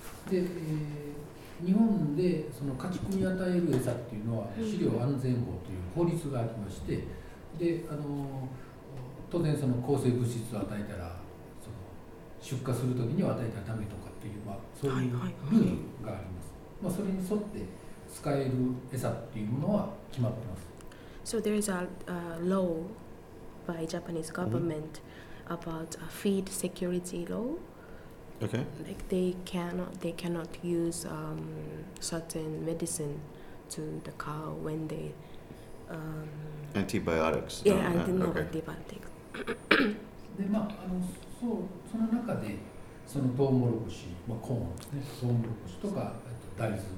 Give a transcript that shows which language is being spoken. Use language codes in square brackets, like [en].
[ja] で、日本でその家畜に与える餌っていうのは飼料安全法という法律がありまして、で、当然その抗生物質を与えたら、その出荷するときには与えたらダメとかっていう、まあ、そういうルールがあります。はいはい、まあ、それに沿って使える餌っていうものは決まってます。 [en] So there is a, law. By Japanese government about a feed security law. Okay. Like they cannot use certain medicine to the cow when they antibiotics. Yeah, and then no antibiotics. [ja] で、まあ、そう、その中で、そのトウモロコシ、まあ、コーンですね、トウモロコシとか、大豆。